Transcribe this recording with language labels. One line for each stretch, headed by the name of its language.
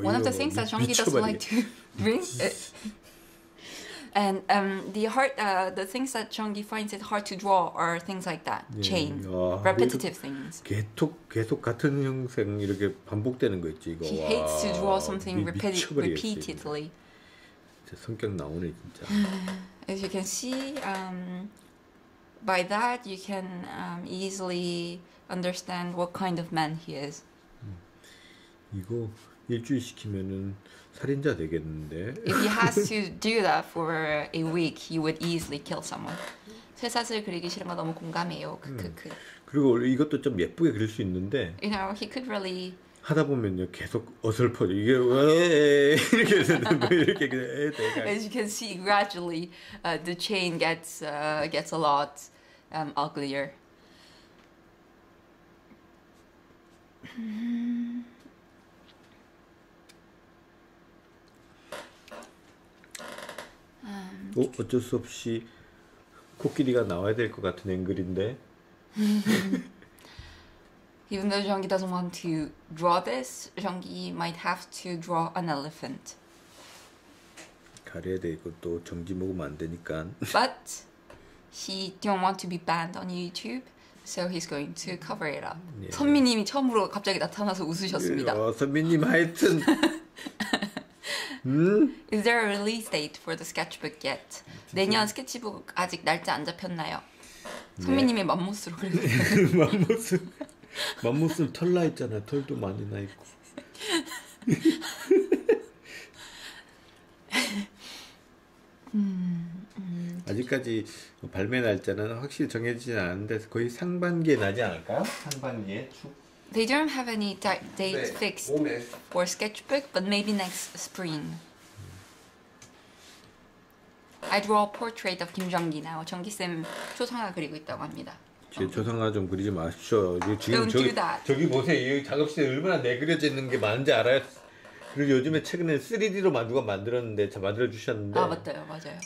English: One of the things that Zhonggi doesn't like to bring, and the things that Zhonggi finds it hard to draw are things like that, chain, repetitive things.
Korean: 계속 같은 형상 이렇게 반복되는 거 있지 이거.
English: He hates to draw something repeatedly.
Korean: 제 성격 나오네 진짜.
English: As you can see, by that you can easily understand what kind of man he is.
Korean: 이거 일주일 시키면은 살인자 되겠는데.
English: If he has to do that for a week, he would easily kill someone.
Korean: 쇠사슬 그리기 싫은 거 너무 공감해요. 그리고 원래 이것도 좀 예쁘게 그릴 수 있는데.
English: You know, he could really
Korean: 하다 보면요 계속 어설퍼져 이게 이렇게 되는데 이렇게 그냥
English: As you can see, gradually the chain gets a lot uglier.
Korean: 어 어쩔 수 없이 코끼리가 나와야 될 것 같은 앵글인데.
English: Even though Zhang Yi doesn't want to draw this, Zhang Yi might have to draw an elephant.
Korean: 가려야 돼 이것도 정지 먹으면 안 되니까.
English: But he don't want to be banned on YouTube, so he's going to cover it up.
Korean: 선미님이 처음으로 갑자기 나타나서 웃으셨습니다. 선미님 하여튼.
English: Is there a release date for the sketchbook yet?
Korean: 내년 스케치북 아직 날짜 안 잡혔나요? 선미님의 맘모스로 그랬어요. 맘모스. 맘모스 털나 있잖아. 털도 많이 나 있고. Mm-hmm. 아직까지 발매 날짜는 확실히 정해지진 않은데 거의 상반기에 나지 않을까? 상반기에 축.
English: They don't have any date fixed for sketchbook, but maybe next spring. I draw a portrait of Kim Jong-gi now.
Korean: 정기 쌤 초상화 그리고 있다고 합니다. 제 초상화 좀 그리지 마십시오. 지금 저기, 저기 보세요. 이 작업실에 얼마나 내그려지는 게 많은지 알아요? 그리고 요즘에 최근에 3D로 누가 만들었는데, 잘 만들어주셨는데. 아, 맞아요. 맞아요.